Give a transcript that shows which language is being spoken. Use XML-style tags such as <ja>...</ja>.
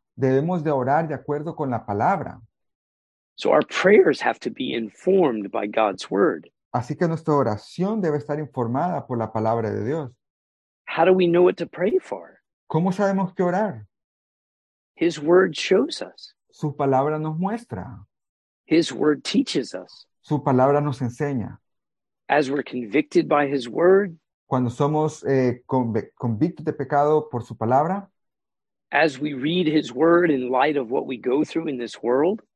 <es>Debemos de orar de acuerdo con la palabra.</es> <en>So our prayers have to be informed by God's word.</en> <es>Así que nuestra oración debe estar informada por la palabra de Dios.</es> <en>How do we know what to pray for?</en> <es>¿Cómo sabemos qué orar?</es> <en>His word shows us.</en> <es>Su palabra nos muestra.</es> <en>His word teaches us.</en> <es>Su palabra nos enseña.</es> <en>As we're convicted by his word.</en> <es>Cuando somos convictos de pecado por su palabra.</es> <en>As we read his word in light of what we go through in this world.</en>